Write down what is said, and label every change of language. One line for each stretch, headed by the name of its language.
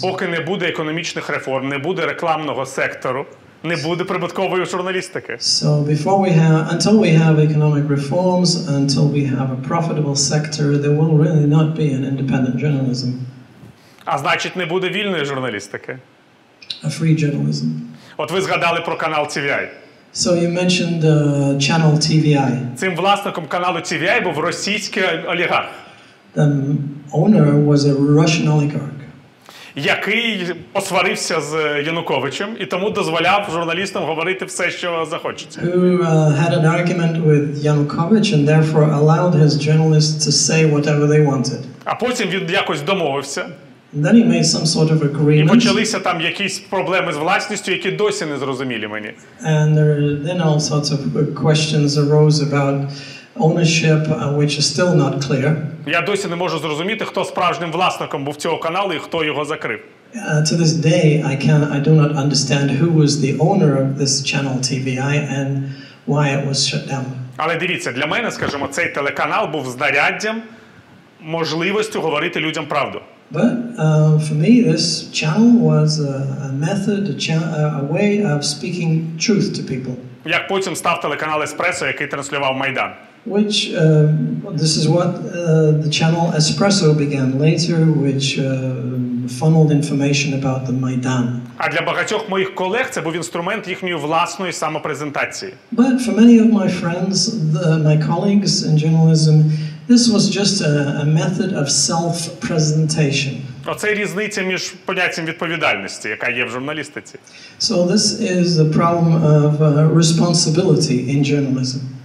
Ukrainian: Поки не буде економічних реформ, не буде рекламного сектору, не буде прибуткової журналістики.
English: So before we have, until we have economic reforms, until we have a profitable sector, there will really not be an independent journalism.
Ukrainian: А значить, не буде вільної журналістики.
English: A free journalism.
Ukrainian: От ви згадали про канал TVI.
English: So you mentioned channel TVI.
Ukrainian: Цим власником каналу TVI був російський олігарх.
English: The owner was a Russian oligarch.
Ukrainian: Який посварився з Януковичем і тому дозволяв журналістам говорити все, що захочеться.
English: Who had an argument with Yanukovych and therefore allowed his journalists to say whatever they wanted.
Ukrainian: А потім він якось домовився.
English: And then he made some sort of agreement.
Ukrainian: І почалися там якісь проблеми з власністю, які досі не зрозумілі мені.
English: And then all sorts of questions arose about ownership, which is still not clear.
Ukrainian: Я досі не можу зрозуміти, хто справжнім власником був цього каналу і хто його закрив.
English: To this day, I do not understand who was the owner of this channel TVI and why it was shut down.
Ukrainian: Але дивіться, для мене, скажімо, цей телеканал був знаряддям, можливістю говорити людям правду.
English: But for me, this channel was a method, a way of speaking truth to people.
Ukrainian: Як потім став телеканал Еспресо, який транслював Майдан.
English: Which this is what the channel Espresso began later, which funneled information about the Maidan.
Ukrainian: А для багатьох моїх колег це був інструмент їхньої власної самопрезентації.
English: But for many of my friends, my colleagues in journalism, this was just a method of self-presentation.
Ukrainian: Оце різниця між поняттям відповідальності, яка є в журналістиці.
English: So this is the problem of responsibility in journalism.